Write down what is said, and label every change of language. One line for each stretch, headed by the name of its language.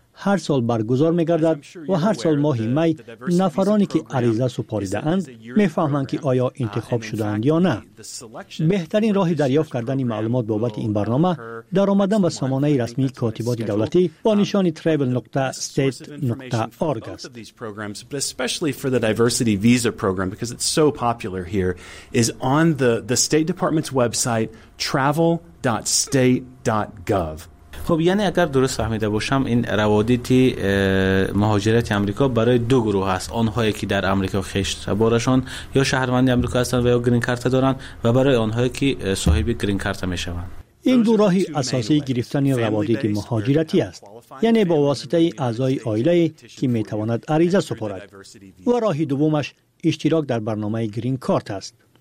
Persian: هر سال برگزار می‌گردد و هر سال ماه می نفرانی که عریضه سپاریده اند می‌فهمند که آیا انتخاب شده‌اند یا نه. بهترین راه دریافت کردن معلومات بابت این برنامه در آمدن به سامانه رسمی کاتبات دولتی با نشان travel.state.org است.
English: Especially for the diversity visa program because it's so popular here is on the State Department's website travel.state.gov.
Persian: خب یعنی اگر درست فهمیده باشم این روابط مهاجرت آمریکا برای دو گروه است، آنهایی که در آمریکا خشت بارشان یا شهروند آمریکا هستند و یا گرین کارت دارند و برای آنهایی که صاحب گرین کارت می شوند. این دو راه اساسی گرفتن روابط مهاجرتی است، یعنی با واسطه اعضای آیله که می تواند عریضه سپارد، و راه دومش اشتراک در برنامه گرین کارت است.